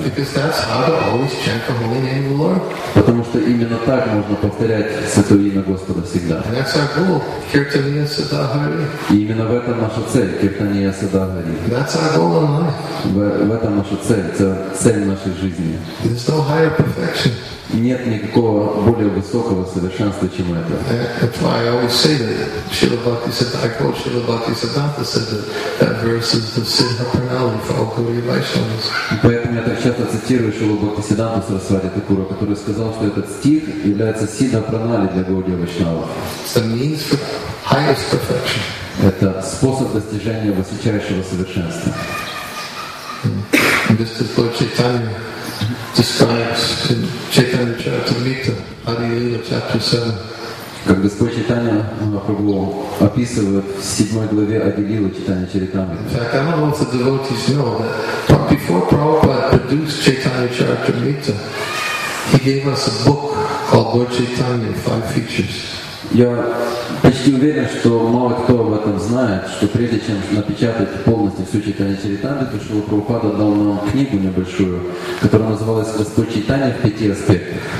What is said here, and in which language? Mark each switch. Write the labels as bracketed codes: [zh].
[en] Because that's how to always chant the holy name of the Lord. [ru] Потому что именно так можно повторять Святое имя Господа всегда. [en] And that's our goal, [sa] Kirtaniya Sadahari. [ru] И именно в этом наша цель, [sa] Kirtaniya Sadahari. [en] That's our goal in life. [ru] В этом наша цель, это цель нашей жизни. [en] There's no higher perfection. [ru] Нет никакого более высокого совершенства, чем это. [en] That's why I always say that Srila Bhakti Siddhanta, I quote Srila Bhakti Siddhanta said that that verse is the Siddha Pranali for all Gaudiya Vaishnavas. [ru] Поэтому я так часто цитирую Шрилу Бхакти Сиддханту Сарасвати Такура, который сказал, что этот стих является Сиддха Пранали для Гаудия Вайшнавов. [en] It's the means for highest perfection. [ru] Это способ достижения высочайшего совершенства. [en] This is Lord Chaitanya. Describes in Chaitanya Charitamrita, Adiyoga, chapter 7. [ru] Как Господь Чайтанья Махапрабху описывает в 7 главе Адилилы Чайтанья Чаритамриты. [en] In fact, I don't know if the devotees know that, but before Prabhupada produced Chaitanya Charitamrita, he gave us a book called Lord Chaitanya, Five Features. [ru] Я почти уверен, что мало кто об этом знает, что прежде чем напечатать полностью всю Чайтанья Чаритамриту, Шрила Прабхупада дал нам книгу небольшую, которая называлась «Господь Чайтанья в пяти аспектах».